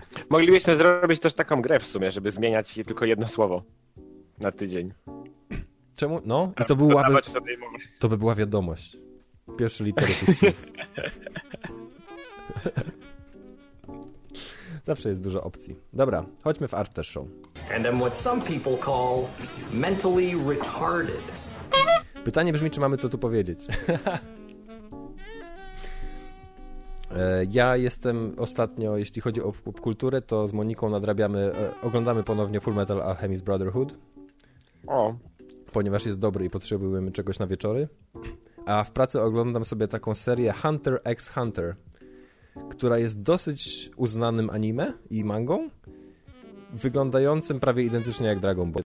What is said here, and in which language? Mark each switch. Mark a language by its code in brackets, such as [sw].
[pl] Moglibyśmy zrobić też taką grę w sumie, żeby zmieniać tylko jedno słowo na tydzień. Czemu? No, i to był łaby... To by była wiadomość. Pierwsze litery tych słów. Zawsze jest dużo opcji. Dobra, chodźmy w After Show. [en] And I'm what some people call mentally retarded. [pl] Pytanie brzmi, czy mamy co tu powiedzieć. Ja jestem ostatnio, jeśli chodzi o popkulturę, to z Moniką nadrabiamy, oglądamy ponownie Full Metal Alchemist Brotherhood. O. Ponieważ jest dobry i potrzebujemy czegoś na wieczory. A w pracy oglądam sobie taką serię Hunter x Hunter, która jest dosyć uznanym anime i mangą, wyglądającym prawie identycznie jak Dragon Ball.